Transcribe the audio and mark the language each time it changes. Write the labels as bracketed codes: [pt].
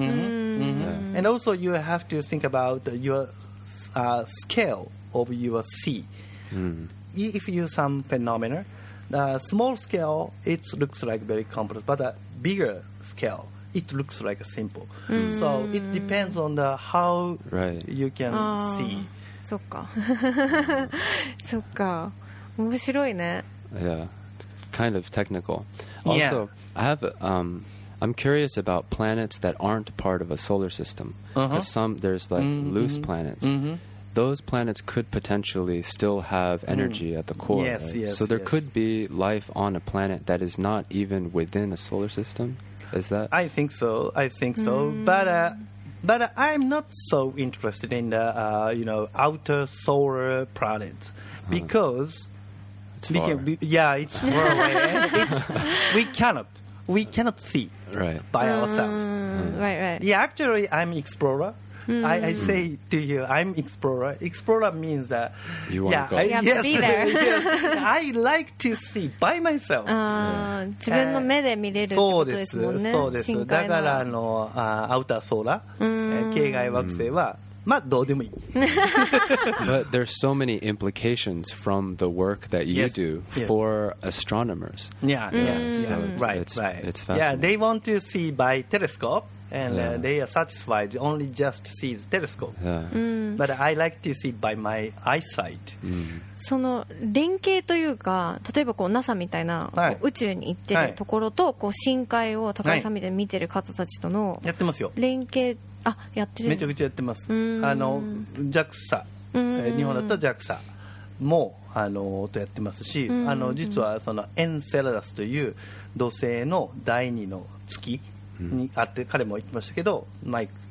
[en] And also you have to think about your scale of your sea. If you some phenomena, small scale it looks like very complex, but a bigger scale it looks like simple. So it depends on the how you can see. [ja] そっか、そっか、面白いね。 [en] Yeah, it's kind of technical. Also, I have I'm curious about planets that aren't part of a solar system. There's like loose planets. Those planets could potentially still have energy at the core. Yes, right? Yes. So there yes. could be life on a planet that is not even within a solar system. Is that? I think so. I think so. But I'm not so interested in the you know, outer solar planets because it's far. It's far away. We cannot. we cannot see right. by ourselves. Right, right. Yeah, actually, I'm explorer. I say to you, I'm explorer. Explorer means that you want to go. You have to be there. I like to see by myself. [ja] 自分の目で見れるってことですもんね。そうです。そうです。だからあのアウターソーラー、系外惑星は。まあ、どうでもいい。 [en] But there are so many implications from the work that you yes, do for yes. astronomers. Yeah, yeah, yeah. So yeah. It's, right, it's, right. It's fascinating. Yeah, they want to see by telescope, and yeah. They are satisfied only just to see the telescope. Yeah. But I like to see by my eyesight. [ja] その連携というか、例えばこう NASA みたいな、はい、宇宙に行ってるところと、はい、こう深海を高橋さんみたいに見てる方たちとの、はい、やってますよ。連携あやってるめちゃくちゃやってます。あの JAXA、日本だったら JAXA もあのとやってますし、あの実はそのエンセラダスという土星の第二の月にあって、彼も言ってましたけど、マイ